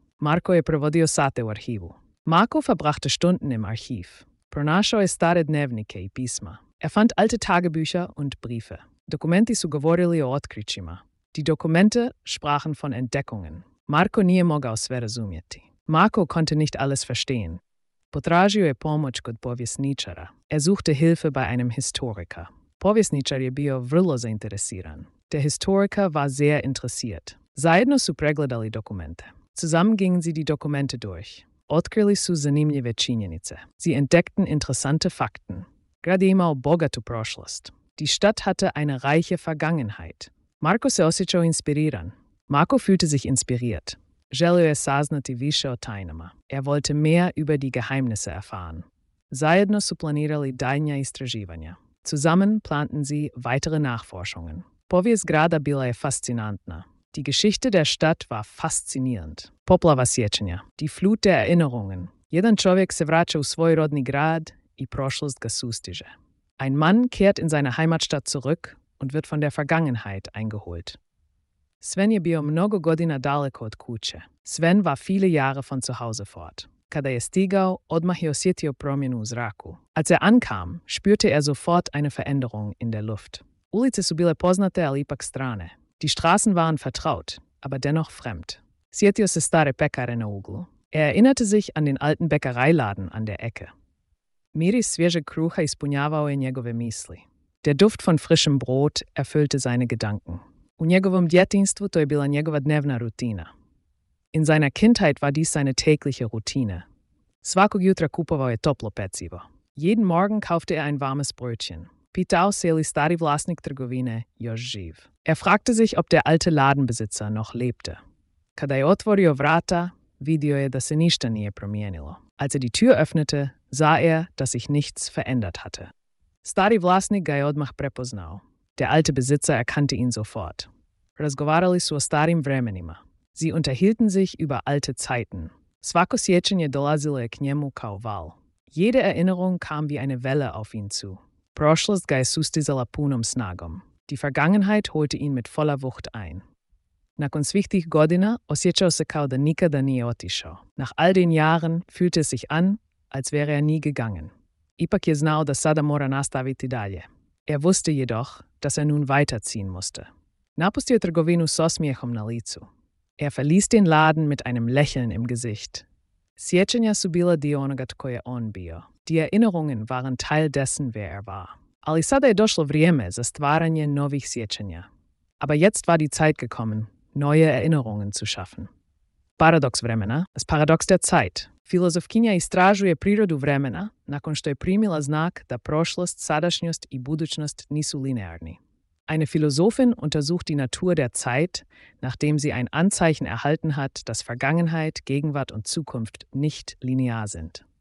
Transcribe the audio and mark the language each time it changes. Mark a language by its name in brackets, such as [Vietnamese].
[Croatian] Marko je provodio sate u arhivu. [German] Marko verbrachte Stunden im Archiv. [Croatian] Pronašao je stare dnevnike i pisma. [German] Er fand alte Tagebücher und Briefe. [Croatian] Dokumenti su govorili o otkrićima. [German] Die Dokumente sprachen von Entdeckungen. [Croatian] Marko nije mogao sve razumjeti. [German] Marko konnte nicht alles verstehen. [Croatian] Potražio je pomoć kod povjesničara. [German] Er suchte Hilfe bei einem Historiker. [Croatian] Povjesničar je bio vrlo zainteresiran. [German] Der Historiker war sehr interessiert. [Croatian] Zajedno su pregledali dokumente. [German] Zusammen gingen sie die Dokumente durch. [Croatian] Otkrili su zanimljive činjenice. [German] Sie entdeckten interessante Fakten. [Croatian] Grad je imao bogatu prošlost. [German] Die Stadt hatte eine reiche Vergangenheit. [Croatian] Marko se osjećao inspiriran. [German] Marko fühlte sich inspiriert. [Croatian] Želio je saznati više o tajnama. [German] Er wollte mehr über die Geheimnisse erfahren. [Croatian] Zajedno su planirali daljnja istraživanja. [German] Zusammen planten sie weitere Nachforschungen. [Croatian] Povijest grada bila je faszinantna. [German] Die Geschichte der Stadt war faszinierend. [Croatian] Poplava sjećanja. [German] Die Flut der Erinnerungen. [Croatian] Jedan čovjek se vraća u svoj rodni grad i prošlost ga sustiže. [German] Ein Mann kehrt in seine Heimatstadt zurück und wird von der Vergangenheit eingeholt. [Croatian] Sven je bio mnogo godina daleko od kuće. [German] Sven war viele Jahre von zu Hause fort. [Croatian] Kada je stigao, odmah je osjetio promjenu u zraku. Als er ankam, spürte er sofort eine Veränderung in der Luft. Ulice su bile poznate, ali ipak strane. [German] Die Straßen waren vertraut, aber dennoch fremd. [Croatian] Sjetio se stare pekare na uglu. [German] Er erinnerte sich an den alten Bäckereiladen an der Ecke. [Croatian] Miris svježeg kruha ispunjavao je njegove misli. [German] Der Duft von frischem Brot erfüllte seine Gedanken. [Croatian] U njegovom djetinstvu to je bila njegova dnevna rutina. [German] In seiner Kindheit war dies seine tägliche Routine. [Croatian] Svakog jutra kupovao je toplo pecivo. [German] Jeden Morgen kaufte er ein warmes Brötchen. [Croatian] Pitao se li stari vlasnik trgovine još živ. [German] Er fragte sich, ob der alte Ladenbesitzer noch lebte. Kada je otvorio vrata, vidio je da se ništa nije promijenilo. Als er die Tür öffnete, sah er, dass sich nichts verändert hatte. [Croatian] Stari vlasnik ga je odmah prepoznao. [German] Der alte Besitzer erkannte ihn sofort. [Croatian] Razgovarali su o starim vremenima. [German] Sie unterhielten sich über alte Zeiten. [Croatian] Svako sjećanje dolazilo je k njemu kao val. [German] Jede Erinnerung kam wie eine Welle auf ihn zu. [Croatian] Prošlost ga je sustizala punom snagom. [German] Die Vergangenheit holte ihn mit voller Wucht ein. [Croatian] Nakon svih tih godina osjećao se kao da nikada nije otišao. [German] Nach all den Jahren fühlte es sich an, als wäre er nie gegangen. [Croatian] Ipak je znao da sada mora nastaviti dalje. [German] Er wusste jedoch, dass er nun weiterziehen musste. [Croatian] Napustio trgovinu s osmijehom na licu. [German] Er verließ den Laden mit einem Lächeln im Gesicht. [Croatian] Sjećanja su bila dio onoga tko je on bio. [German] Die Erinnerungen waren Teil dessen, wer er war. [Croatian] Ali sada je došlo vrijeme za stvaranje novih sjećanja. [German] Aber jetzt war die Zeit gekommen, neue Erinnerungen zu schaffen. [Croatian] Paradox vremena, [German] das Paradox der Zeit. [Croatian] Filozofkinja istražuje prirodu vremena nakon što je primila znak da prošlost, sadašnjost i budućnost nisu linearni. [German] Eine Philosophin untersucht die Natur der Zeit, nachdem sie ein Anzeichen erhalten hat, dass Vergangenheit, Gegenwart und Zukunft nicht linear sind.